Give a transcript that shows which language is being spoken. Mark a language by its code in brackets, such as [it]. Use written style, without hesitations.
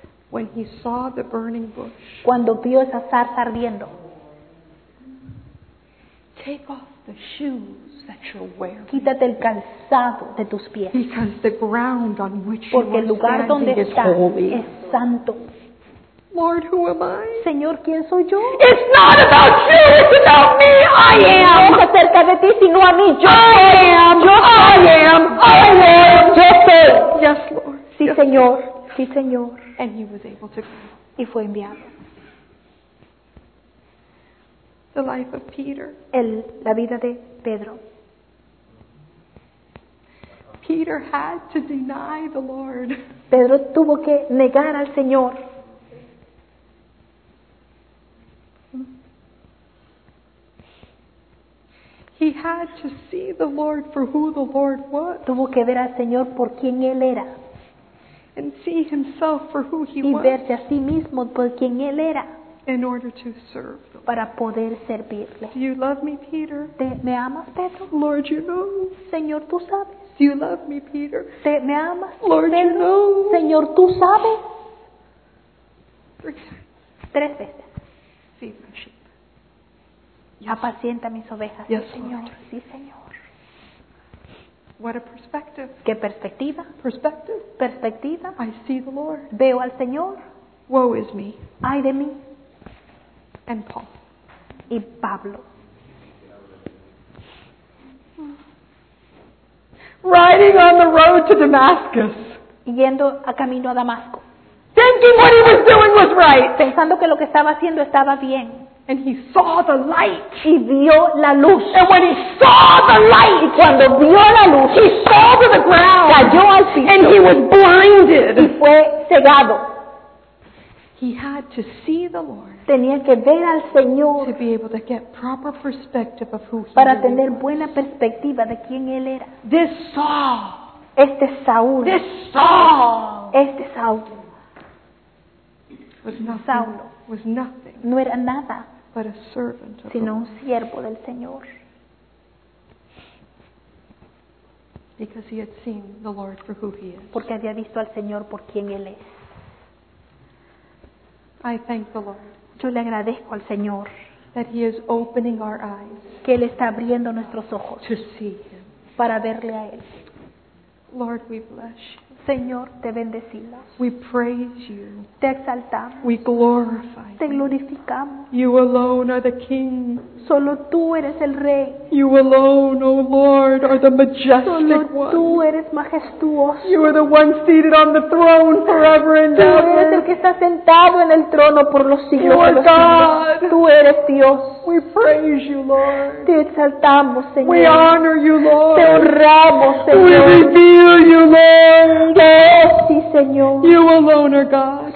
[en] When he saw the burning bush. [es] Cuando vio esa zarza ardiendo. [en] Take off the shoes that you're wearing. [es] Quítate el calzado de tus pies. [en] Because the ground on which [es] porque [en] you are standing is holy. [es] Porque el lugar donde estás es santo. [en] Lord, who am I? [es] Señor, ¿quién soy yo? [en] It's not about you, it's about me. I am. [es] No es acerca de ti, sino a mí. Yo [en] I [es] soy. [en] Am. [es] Yo soy. [en] I am. I am. [es] Yo soy. [en] Yes, Lord. [es] Sí, yes, Señor. Lord. Sí, Señor. [en] And he was able to go. [es] Y fue enviado. [en] The life of Peter. [es] La vida de Pedro. [en] Peter had to deny the Lord. [es] Pedro tuvo que negar al Señor. [en] He had had to see the Lord for who the Lord was. [es] Tuvo que ver al Señor por quien Él era. [en] And see Himself for who He was. [es] Y verse a sí mismo por quien Él era. [en] In order to serve. [es] Para poder servirle. [en] Do you love me, Peter? [es] ¿Me amas, Pedro? [en] Lord, you know. [es] Señor, tú sabes. [en] Do you love me, Peter? [es] ¿Me amas, [en] Lord, [es] Pedro? [en] You know. [es] Señor, tú sabes. Tres veces. [en] Feed my sheep. Yes. [es] Apacienta mis ovejas. [en] Yes, [es] Señor. [en] Lord. [es] Sí, Señor. [en] What a perspective. [es] ¿Qué perspectiva? [en] Perspective. [es] Perspectiva. [en] I see the Lord. [es] Veo al Señor. [en] Woe is me. [es] Ay de mí. [en] And Paul. [es] Y Pablo. [en] Riding on the road to Damascus. [es] Yendo a camino a Damasco. [en] Thinking what he was doing was right. [es] Pensando que lo que estaba haciendo estaba bien. [en] And he saw the light. [es] Y vio la luz. [en] And when he saw the light, [es] y cuando vio la luz, [en] he fell to the ground. [es] Cayó al piso. [en] And he was blinded. [es] Y fue cegado. [en] He had to see the Lord. [es] Tenía que ver al Señor. [en] To be able to get proper perspective of who he [es] para tener buena perspectiva de quién él era. [en] This Saul. [es] Este Saúl. [en] This Saul. [es] Este Saúl. [en] Was nothing. Saulo. Was nothing. [es] No era nada. [en] But a servant of [es] sino [en] the [es] un siervo del Señor. [en] Because he had seen the Lord for who he is. [es] Porque había visto al Señor por quién él es. [en] I thank the Lord. [es] Yo le agradezco al Señor. [en] That He is opening our eyes. [es] Que Él está abriendo nuestros ojos. [en] To see Him. [es] Para verle a Él. [en] Lord, we bless you. [es] Señor, te bendecimos. [en] We praise you. [es] Te exaltamos. [en] We glorify you. [es] Te glorificamos. [en] You alone are the King. [es] Solo tú eres el Rey. [en] You alone, O Lord, are the Majestic One. [es] Solo tú eres majestuoso. [en] You are the One seated on the throne forever and ever. [es] Tú eres el que está sentado en el trono por los siglos de los siglos. Tú eres Dios. [en] We praise you, Lord. [es] Te exaltamos, Señor. [en] We honor you, Lord. [es] Te honramos, Señor. [en] We reveal you, Lord. [es] Yes, sí, Señor. [en] You alone are God.